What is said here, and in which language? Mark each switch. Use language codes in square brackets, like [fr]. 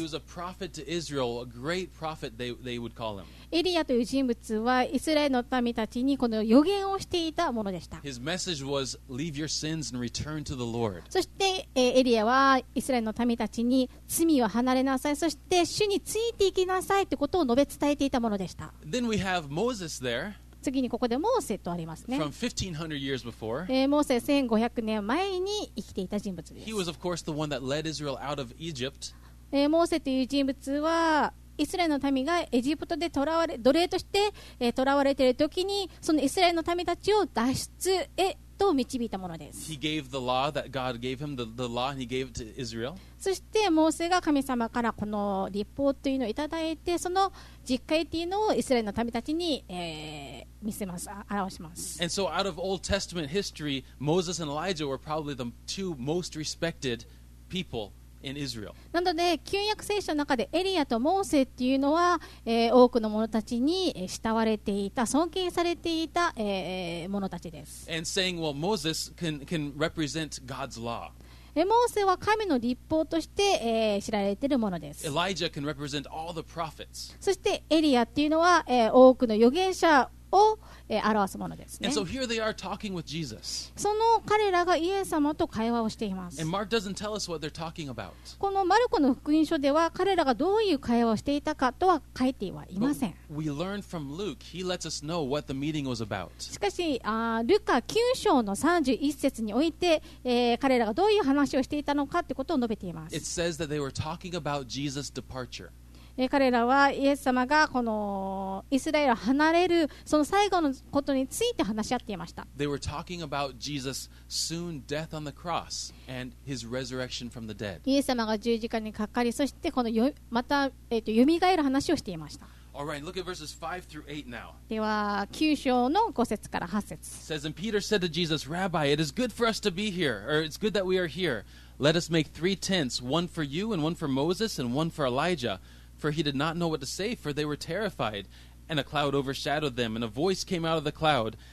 [en] He was a prophet to Israel, a great prophet they would call him. [ja] エリアという人物はイスラエルの民たちにこの予言をしていたものでした。 [en] His message was leave your sins and return to the Lord. [ja] そしてエリアはイスラエルの民たちに罪を離れなさい、そして主についていきなさいということを述べ伝えていたものでした。 [en] Then we have Moses there. [ja] 次にここでモーセとありますね。 [en] From 1500 years before, [ja] モーセ1500年前に生きていた人物です。 [en] He was of course the one that led Israel out of Egypt. [ja] モーセという人物はイスラエルの民がエジプトで奴隷として囚われている時に、そのイスラエルの民たちを脱出へと導いたものです。 [en] He gave the law that God gave him, the law he gave to Israel. [ja] そしてモーセが神様からこの律法というのをいただいて、その実戒というのをイスラエルの民たちに、見せます、表します。 [en] And so out of Old Testament history, Moses and Elijah were probably the two most respected people in Israel. [ja] なので旧約聖書の中でエリアとモーセというのは、多くの者たちに慕われていた、尊敬されていた、者たちです。 [en] And saying, well, Moses can represent God's law. [ja] モーセは神の律法として、知られているものです。 [en] Elijah can represent all the prophets. [ja] そしてエリアっていうのは、多くの預言者を表すものですね。 [en] And so here they are talking with Jesus. [ja] その彼らがイエス様と会話をしています。 [en] And Mark doesn't tell us what they're talking about. [ja] このマルコの福音書では彼らがどういう会話をしていたかとは書いてはいません。 [en] But we learn from Luke. He lets us know what the meeting was about. [ja] しかし、ルカ9章の31節において、彼らがどういう話をしていたのかということを述べています。 [en] It says that they were talking about Jesus' departure. [ja] 彼らはイエス様がこのイスラエルを離れるその最後のことについて話し合っていました。 [en] They were talking about Jesus' soon death on the cross and his resurrection from the dead. [ja] イエス様が十字架にかかり、そしてこのまた蘇る話をしていました。 [en] Alright, look at verses 5 through 8 now. [ja] では9章の5節から8節。 [en] Says, and Peter said to Jesus, Rabbi, it is good for us to be here, or it's good that we are here. Let us make three tents, one for you and one for Moses and one for Elijah. For he did not know what to say, for they were terrified. And a cloud overshadowed them, and a voice came out of the cloud.